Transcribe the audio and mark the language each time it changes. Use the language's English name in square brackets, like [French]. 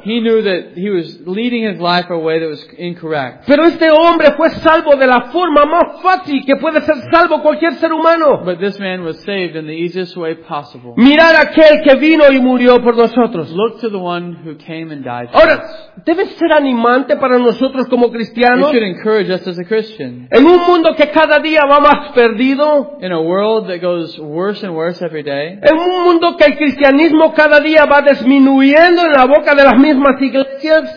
[English] He knew that he was leading his life a way that was incorrect. [Spanish] Pero este hombre fue salvo de la forma más fácil que puede ser salvo cualquier ser humano. [English] But this man was saved in the easiest way possible. [Spanish] Mirar a aquel que vino y murió por nosotros. [English] Look to the one who came and died. [Spanish] Ahora, debe ser animante para nosotros como cristianos. [English] It should encourage us as a Christian. [Spanish] En un mundo que cada día va más perdido. [English] In a world that goes worse and worse every day. [Spanish] En un mundo que el cristianismo cada día va disminuyendo en la boca de las mismas iglesias.